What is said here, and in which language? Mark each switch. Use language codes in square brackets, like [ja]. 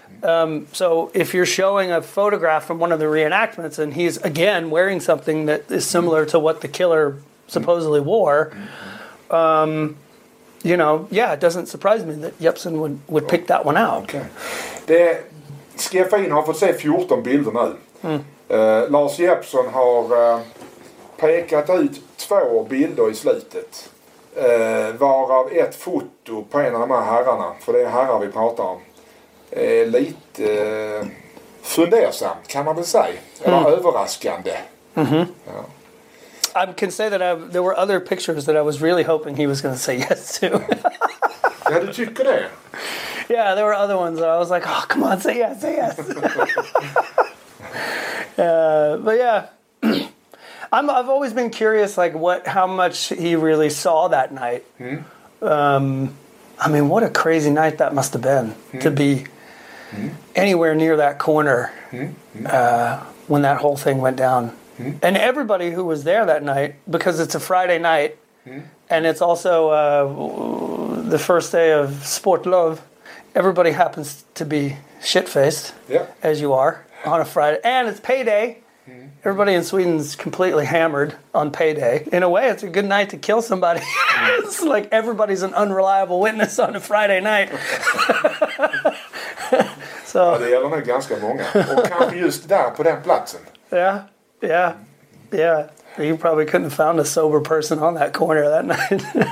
[en] So if you're showing a photograph from one of the reenactments and he's again wearing something that is similar to what the killer supposedly wore, you know, yeah, it doesn't surprise me that Jeppsson would pick that one out. [sv] Okay. Skeffin har fått se 14 bilder nu. Lars Jeppsson har pekat ut två bilder i slutet. Varav ett foto på en av de här herrarna, för det är herrar vi pratar om, lite fundersam kan man väl säga, eller överraskande. [en] Mm-hmm. Ja. I can say that there were other pictures that I was really hoping he was going to say yes to. [sv] Ja, du tycker det? [en] Yeah, there were other ones that I was like, oh, come on, say yes, say yes. but yeah. I've always been curious, like, how much he really saw that night. Mm. I mean, what a crazy night that must have been to be anywhere near that corner when that whole thing went down. Mm. And everybody who was there that night, because it's a Friday night, and it's also the first day of Sportlov, everybody happens to be shit-faced, as you are, on a Friday. And it's payday. Everybody in Sweden's completely hammered on payday. In a way, it's a good night to kill somebody. It's like everybody's an unreliable witness on a Friday night. [sv] Så. Ja, det gäller nog ganska många. Och kanske just där på den platsen. Ja, ja, ja. [en] You probably couldn't have found a sober person on that corner that night.